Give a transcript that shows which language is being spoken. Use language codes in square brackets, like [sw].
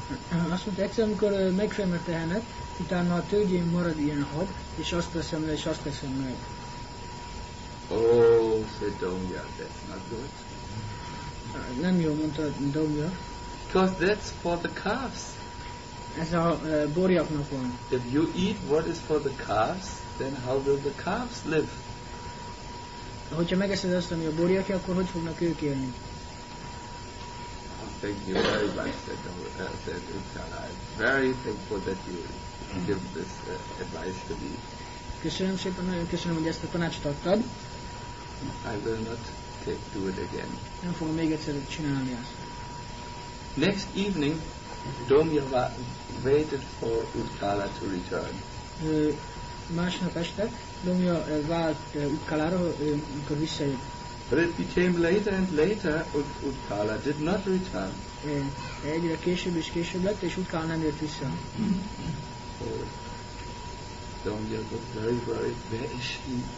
[hu] Azt mondta, egyszer, amikor megfelem a tehenet, utána a tőgyén marad ilyen hab, és azt teszem le, és azt teszem meg. [en] Oh, said Domya, that's not good. [hu] Nem jó, mondta Domya. [en] Because that's for the calves. [hu] Ez a borjaknak van. [en] If you eat what is for the calves, then how will the calves live? [hu] Hogyha megeszed azt, ami a borjaki, akkor hogy fognak ők élni? [en] Thank you very much, said Utkala. I'm very thankful that you give this advice to me. [hu] Köszönöm szépen, nagyon köszönöm, hogy ezt a tanácsot adtad. [en] I will not do it again. [hu] Nem fogom még egyszer csinálni ezt. [en] Next evening, Domjava waited for Utkala to return. [hu] Másnap este, Domja várt Utkalára, amikor visszajött. [en] But it became later and later, Utkala did not return. [hu] Egyre később és később lett, és Utkala nem jött vissza. [en] Domja got very worried, where is he?